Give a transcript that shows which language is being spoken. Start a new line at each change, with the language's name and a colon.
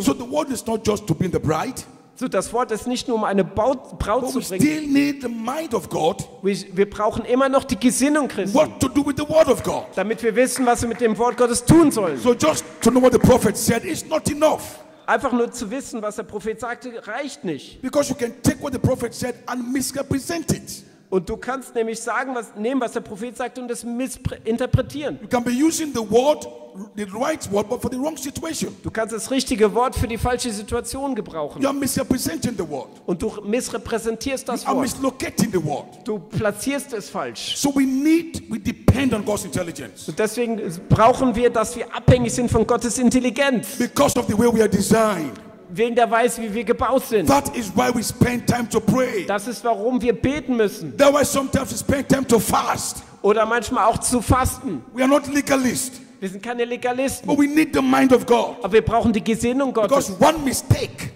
English: So, the word is not just to bring the bride.
German: So, das Wort ist nicht nur, um eine Braut zu bringen.
English: Still need the mind of God,
German: wir brauchen immer noch die Gesinnung Christi.
English: What to do with the word of God.
German: Damit wir wissen, was wir mit dem Wort Gottes tun sollen.
English: So, just to know what the prophet said is not enough.
German: Einfach nur zu wissen, was der Prophet sagte, reicht nicht.
English: Because you can take what the prophet said and misrepresent it.
German: Und du kannst nämlich sagen, was der Prophet sagt und das missinterpretieren.
English: You can be using the word, the right word, but for the wrong situation.
German: Du kannst das richtige Wort für die falsche Situation gebrauchen.
English: You are misrepresenting the word.
German: Und du missrepräsentierst das Wort.
English: You are mislocating the word.
German: Du platzierst es falsch.
English: So we depend on God's intelligence.
German: Und deswegen brauchen wir, dass wir abhängig sind von Gottes Intelligenz.
English: Because of the way we are designed.
German: Wegen der Weise, wie wir gebaut sind.
English: That is why we spend time to pray.
German: Das ist, warum wir beten müssen.
English: That why sometimes we spend time to fast.
German: Oder manchmal auch zu fasten.
English: We are not legalists.
German: Wir sind keine Legalisten.
English: But we need the mind of God.
German: Aber wir brauchen die Gesinnung Gottes.
English: Because one mistake,